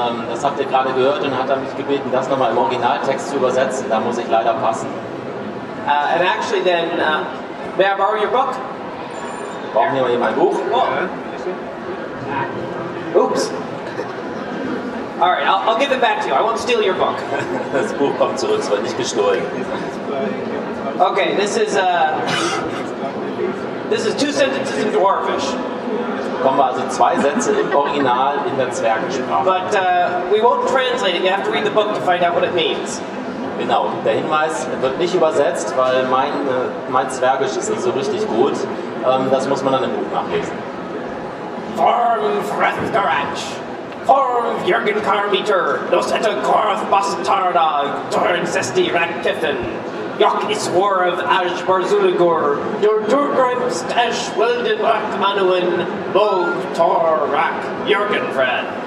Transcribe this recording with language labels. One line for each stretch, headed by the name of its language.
German: Das habt ihr gerade gehört und hat dann mich gebeten, das nochmal im Originaltext zu übersetzen. Da muss ich leider passen.
English: And actually then, may I borrow your book?
German: Brauchen wir mal hier mein Buch?
English: Oh. Oops. All right, I'll give it back to you. I won't steal your book.
German: Das Buch kommt zurück, es wird nicht gestohlen.
English: Okay, this is two sentences in Dwarvish.
German: Kommen wir also zwei Sätze im Original in der Zwergensprache.
English: But we won't translate it. You have to read the book to find out what it means.
German: Genau, der Hinweis wird nicht übersetzt, weil mein Zwergisch ist nicht so richtig gut. Das muss man dann im Buch nachlesen. Form Frethgaratch. Form Jürgen Karmeter, Losetta Korath Bastardag, Turin Sesti Rankiffen, Jok Iswarav Ash Barzuligur, Dur Turgrims Tesh Wilden Rachmanuin, Bog Tor Rak Jürgen Fred.